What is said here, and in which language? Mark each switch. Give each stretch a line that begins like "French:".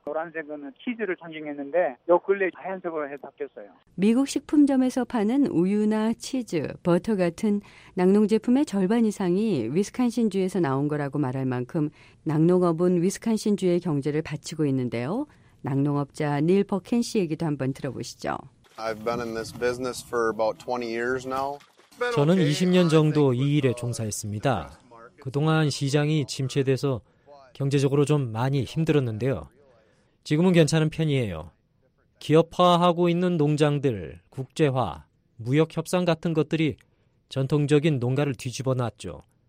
Korean: 노란색은 치즈를 상징했는데 요 근래 하얀색으로 해서 바뀌었어요. 미국 식품점에서 파는 우유나 치즈, 버터 같은 낙농 제품의 절반 이상이 위스콘신주에서 나온 거라고 말할 만큼 낙농업은 위스콘신주의 경제를 바치고 있는데요. 낙농업자 닐 버켄 씨 얘기도 한번 들어보시죠.
English: I've been in this business for about 20 years now.
Korean: 저는 20년 정도 이 일에 종사했습니다. 그동안 시장이 침체돼서 경제적으로 좀 많이 힘들었는데요. 지금은 괜찮은 편이에요. 기업화하고 있는 농장들, 국제화, 무역 협상 같은 것들이 전통적인 농가를 뒤집어 놨죠.